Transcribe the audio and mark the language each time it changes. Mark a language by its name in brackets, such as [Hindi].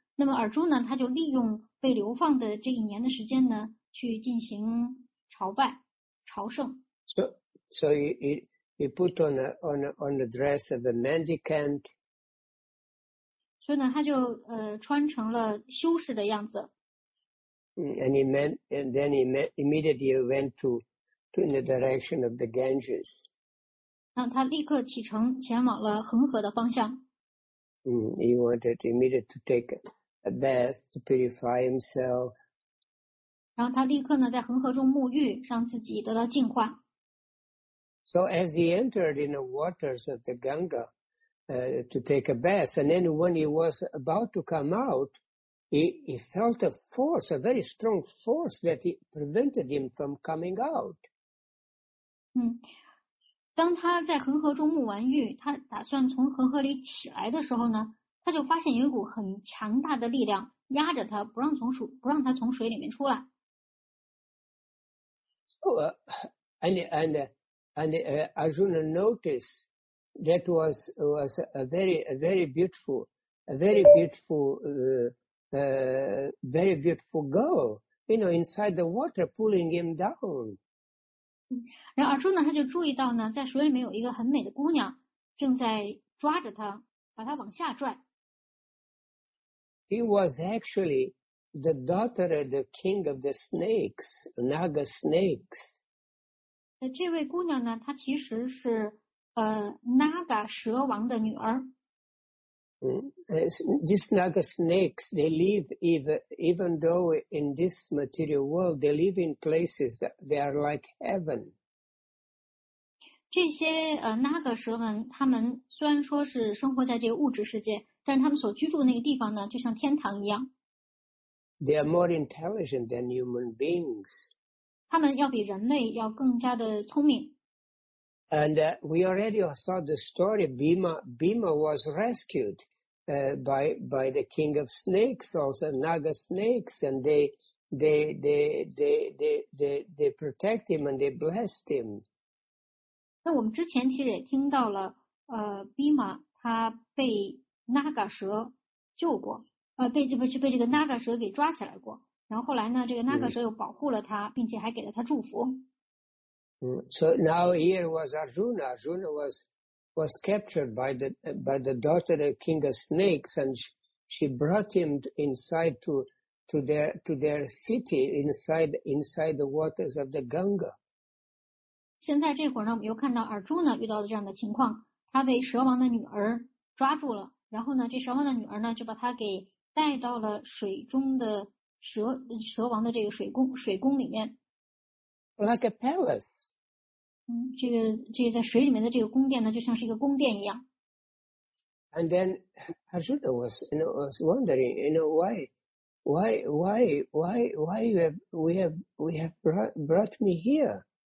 [Chinese] 那么尔朱呢，他就利用被流放的这一年的时间呢，去进行朝拜朝圣。 [English] So he put on a dress of a mendicant. [Chinese] 所以呢，他就穿成了修士的样子。 [English] And then he immediately went in the direction of the Ganges. [Chinese] 那他立刻启程前往了恒河的方向。 [English] He wanted immediately to take a bath to purify himself. [Chinese] 然后他立刻呢在恒河中沐浴，让自己得到净化。 [English] So as he entered in the waters of the Ganga to take a bath, and then when he was about to come out, he felt a force, a very strong force that he prevented him from coming out. [Chinese] 当他在恒河中沐完浴，他打算从恒河里起来的时候呢，他就发现有一股很强大的力量压着他，不让他从水里面出来。 [English] So Arjuna noticed that was a very beautiful girl, you know, inside the water pulling him down. [Chinese] 然后Arjuna呢，他就注意到呢，在水里面有一个很美的姑娘正在抓着他，把它往下转。 [English] He was actually the daughter of the king of the snakes, Naga snakes. [Chinese] 这位姑娘呢，她其实是Naga 蛇王的女儿。 [English] These Naga snakes, they live even though in this material world, they live in places that they are like heaven. [Chinese] 这些Naga 蛇们，他们虽然说是生活在这个物质世界，但他们所居住的那个地方呢，就像天堂一样。 [English] They are more intelligent than human beings. [Chinese] 他们要比人类要更加的聪明。 [English] And we already saw the story. Bhima was rescued by the king of snakes, also Naga snakes, and they protect him and they blessed him. [Chinese] 那我们之前其实也听到了，Bhima 他被 Naga 蛇救过，被这个 Naga 蛇给抓起来过。然后后来呢，这个 Naga 蛇又保护了他，并且还给了他祝福。 [English] So now here was Arjuna. Arjuna was captured by the daughter of the king of snakes, and she brought him inside to their city inside the waters of the Ganga. [Chinese] 现在这会儿呢，我们又看到 Arjuna 遇到了这样的情况，他被蛇王的女儿抓住了，然后呢，这蛇王的女儿呢就把他给带到了水中的蛇王的这个水宫里面。 [English] Like a palace. [Chinese] 这个在水里面的这个宫殿呢，就像是一个宫殿一样。 [English] And then Arjuna was wondering, you know, why we have brought me here?